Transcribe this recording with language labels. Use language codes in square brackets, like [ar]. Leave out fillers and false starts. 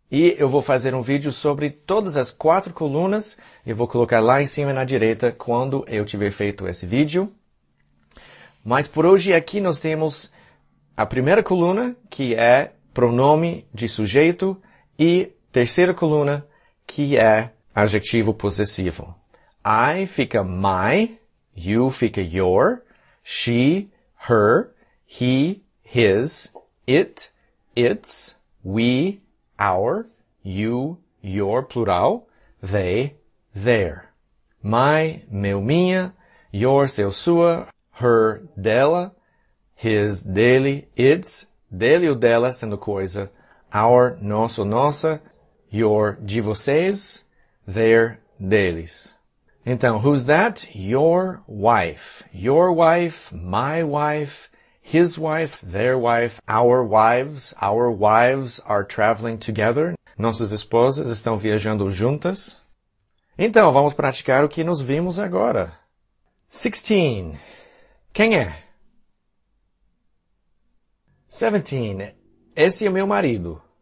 [pt] E eu vou fazer um vídeo sobre todas as quatro colunas, eu vou colocar lá em cima na direita quando eu tiver feito esse vídeo. Mas por hoje aqui nós temos a primeira coluna, que é pronome de sujeito, e terceira coluna, que é adjetivo possessivo. [en] I fica my, you fica your, she, her, he, his, it, its, we, our, you, your, plural, they, their. [pt] My, meu, minha, your, seu, sua, her, dela, his, dele, its, dele ou dela, sendo coisa, our, nosso, nossa, your, de vocês, their, deles. [en] Então, who's that? Your wife. Your wife, my wife, his wife, their wife, our wives are traveling together. [pt] Nossas esposas estão viajando juntas. Então, vamos praticar o que nos vimos agora. 16. Quem é? 17. Esse é meu marido.